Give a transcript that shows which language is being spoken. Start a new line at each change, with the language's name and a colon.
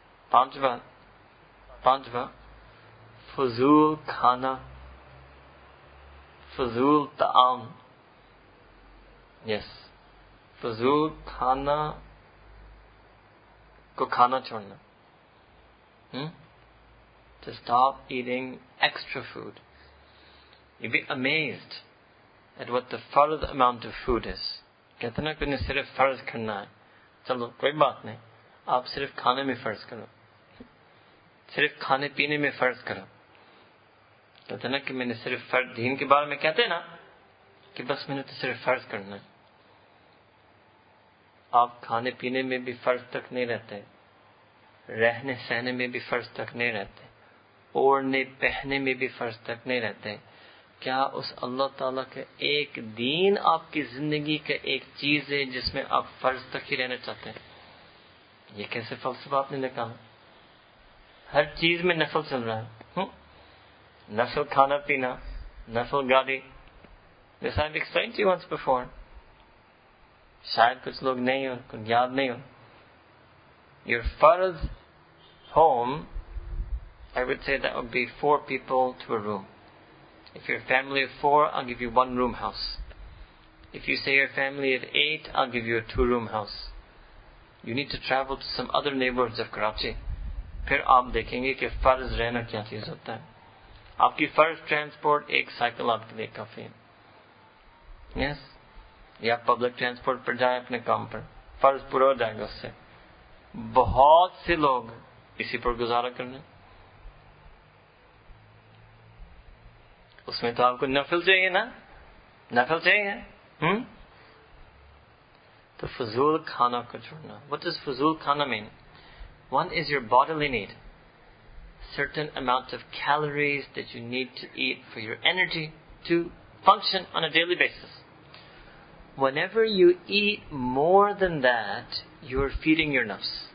Urdu: پانچواں فضول کھانا, فضول طعام.
English: Yes.
Urdu: فضول کھانا کو کھانا چھوڑنا.
English: To stop eating extra food. You'd be amazed at what the farz amount of food is.
Urdu: کہتے نا کہ صرف فرض کرنا ہے, چلو کوئی بات نہیں, آپ صرف کھانے میں فرض کرو, صرف کھانے پینے میں فرض کرو. کہتے نا کہ میں نے صرف فرض, دین کے بارے میں کہتے ہیں نا کہ بس میں نے تو صرف فرض کرنا ہے. آپ کھانے پینے میں بھی فرض تک نہیں رہتے, رہنے سہنے میں بھی فرض تک نہیں رہتے, اوڑھنے پہنے میں بھی فرض تک نہیں رہتے. کیا اس اللہ تعالیٰ کا ایک دین آپ کی زندگی کا ایک چیز ہے جس میں آپ فرض تک ہی رہنا چاہتے ہیں؟ یہ کیسے فلسفہ آپ نے نکالا؟ ہر چیز میں نفل چل رہا ہے. نفل کھانا پینا, نفل گاڑی.
English: This I've explained to you once before.
Urdu: شاید کچھ لوگ نہیں ہوں, کچھ یاد نہیں ہوں.
English: Your farz home, I would say that would be four people to a room. If you're a family of four, I'll give you one room house. If you say you're a family of eight, I'll give you a two room house. You need to travel to some other neighborhoods of Karachi.
Urdu: پھر آپ دیکھیں گے کہ فرض رہنا کیا چیز ہوتا ہے. آپ کی فرض ٹرانسپورٹ, ایک سائیکل آپ کے لیے کافی ہے.
English: Yes.
Urdu: یا پبلک ٹرانسپورٹ پر جائیں اپنے کام پر, فرض پورا ہو جائے گا اس سے. بہت سے لوگ اسی پر گزارا کرنے, اس میں تو آپ کو نفل چاہیے نا, نفل چاہیے. تو فضول کھانا کو چھوڑنا.
English: What does
Urdu: فضول کھانا
English: mean? One is your bodily need. Certain amount of calories that you need to eat for your energy to function on a daily basis. Whenever you eat more than that, you're feeding your nafs.